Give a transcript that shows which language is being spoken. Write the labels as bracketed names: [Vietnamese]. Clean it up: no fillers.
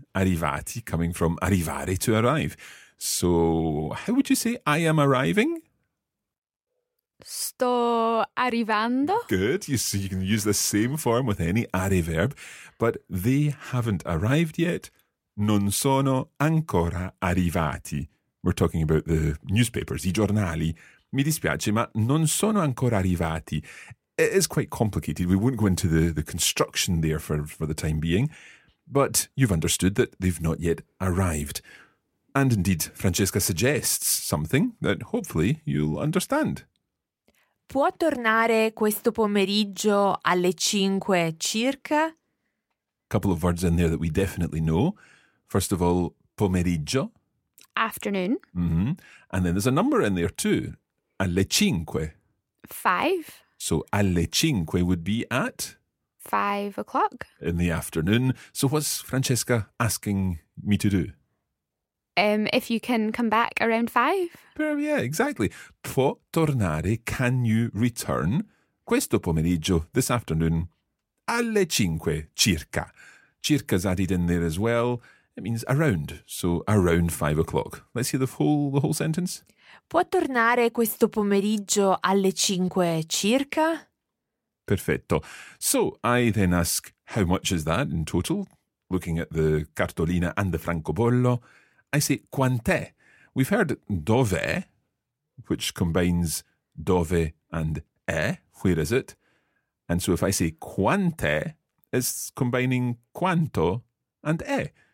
[English] Arrivati, coming from arrivare, to arrive. So, how would you say I am arriving? [Italian] Sto arrivando. [English] Good. You can use the same form with any are verb. But they haven't arrived yet. [Italian] Non sono ancora arrivati. [English] We're talking about the newspapers, [Italian] I giornali. Mi dispiace, ma non sono ancora arrivati. [English] It is quite complicated. We won't go into the construction there for the time being. But you've understood that they've not yet arrived. And indeed, Francesca suggests something that hopefully you'll understand. [Italian] Può tornare questo pomeriggio alle 5 circa? [English] Couple of words in there that we definitely know. First of all, pomeriggio. Afternoon. Mm-hmm. And then there's a number in there too. [Italian] Alle cinque. [English] Five. So [Italian] alle cinque [English] would be at? 5 o'clock. In the afternoon. So what's Francesca asking me to do? If you can come back around five. Yeah, exactly. [Italian] Può tornare, [English] can you return [Italian] questo pomeriggio, [English] this afternoon, [Italian] alle cinque circa. [English] Circa's added in there as well. It means around, so around 5 o'clock. Let's hear the whole sentence. [Italian] Può tornare questo pomeriggio alle 5 circa? Perfetto. [English] So I then ask, how much is that in total? Looking at the cartolina and the francobollo, I say, [Italian] quant'è? [English] We've heard dove, which combines dove and è, where is it? And so if I say quant'è, it's combining quanto and è.